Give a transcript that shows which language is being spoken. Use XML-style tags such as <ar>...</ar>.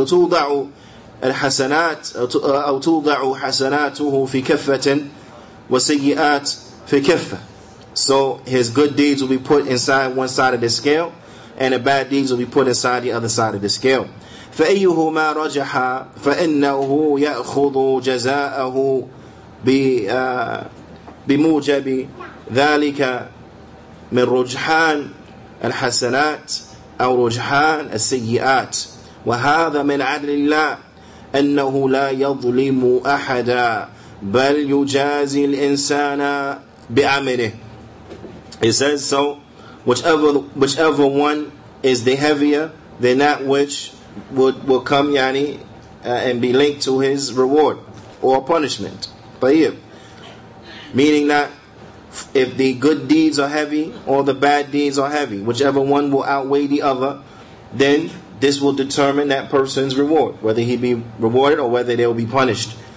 <ar>فتوضع الحسنات أو توضع حسناته في كفة وسيئات في كفة.</ar> <en>So his good deeds will be put inside one side of the scale, and the bad deeds will be put inside the other side of the scale.</en> <ar>فأيهما رجح فإنه يأخذ جزاءه بموجب ذلك من رجحان الحسنات أو رجحان السيئات وهذا من عدل الله أنه لا يظلم أحدا بل يجازي الإنسان بعمله.</ar> <en>He says, so whichever one is the heavier than that which will come, yani, and be linked to his reward or punishment.</en> <ar>طيب.</ar> <en>Meaning that if the good deeds are heavy or the bad deeds are heavy, whichever one will outweigh the other, then this will determine that person's reward, whether he be rewarded or whether they will be punished.</en>